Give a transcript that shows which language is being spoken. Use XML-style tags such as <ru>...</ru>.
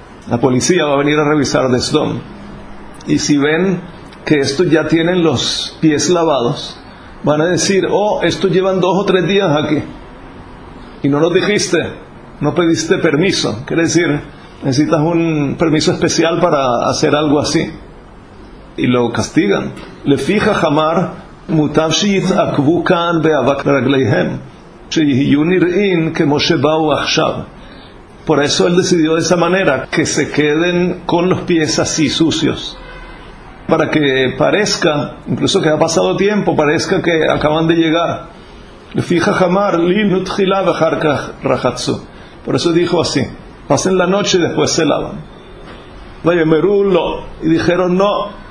<es>La policía va a venir a revisar de Sedom. Y si ven que esto ya tienen los pies lavados, van a decir: oh, esto llevan dos o tres días aquí. Y no nos dijiste, no pediste permiso. Quiere decir, necesitas un permiso especial para hacer algo así. Y lo castigan. Le</es> <he>fija Hamar. מוטב שיתעכבו כאן באבק רגליהם, שיהיו נראים כמו שבאו עכשיו.</he> <es>Por eso él decidió de esa manera, que se queden con los pies así sucios, para que parezca, incluso que ha pasado tiempo, parezca que acaban de llegar.</es> <he>Fija jamar, linu tchila vejarkach rachatzu.</he> <es>Por eso dijo así, pasen la noche y después se lavan.</es> <he>Vayemeru lo,</he> <es>y dijeron no.</es>